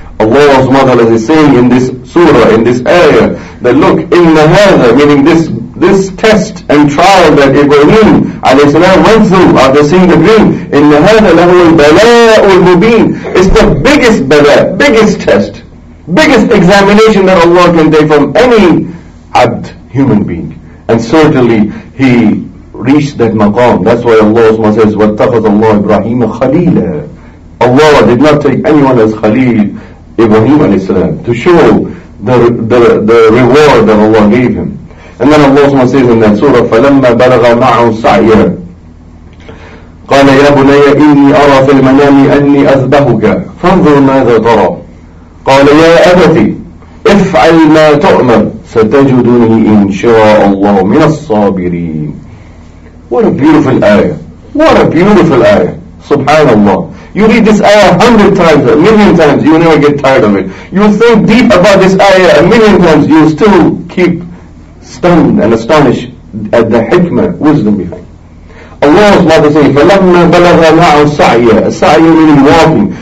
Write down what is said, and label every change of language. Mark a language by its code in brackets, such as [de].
[en] Allah SWT is saying in this surah, in this ayah, that look, [ar] إِنَّ هَذَا, [en] meaning this test and trial that Ibrahim alayhi salam went through after seeing the dream, [ar] إِنَّ هَذَا لَهُوَ الْبَلَاءُ الْمُبِينُ, [en] it's the biggest bala, biggest test, biggest examination that Allah can take from any abd, human being. And certainly he reached that maqam. That's why Allah says, [ar] وَاتَّخَذَ اللَّهُ إِبْرَاهِيمَ خَلِيلًا. [en] Allah did not take anyone as Khalil Ibrahim alayhi salam, to show the reward that Allah gave him. And then Allah says in that surah, [ar] فَلَمَّا بَلَغَ مَعُهُ سَعْيَا قَالَ يَا بُنَيَّ إِنِّي أَرَى فِي الْمَنَامِ أَنِّي أَذْبَحُكَ فَانْظُرْ مَاذَا تَرَى قَالَ يَا أَبَتِ افْعَلْ مَا تُؤْمَرُ سَتَجِدُنِي إِنْ شَاءَ اللَّهُ مِنَ الصَّابِرِينَ. [en] What a beautiful ayah. What a beautiful ayah. Subhanallah. You read this ayah 100 times, 1,000,000 times, you never get tired of it. You think deep about this ayah 1,000,000 times, you still keep stunned and astonished at the hikmah, wisdom behind. Allah is not saying, [ar] فَلَمَّا بَلَغَ مَعَهُ السَّعْيَ السَّعْيَ [en] meaning walking.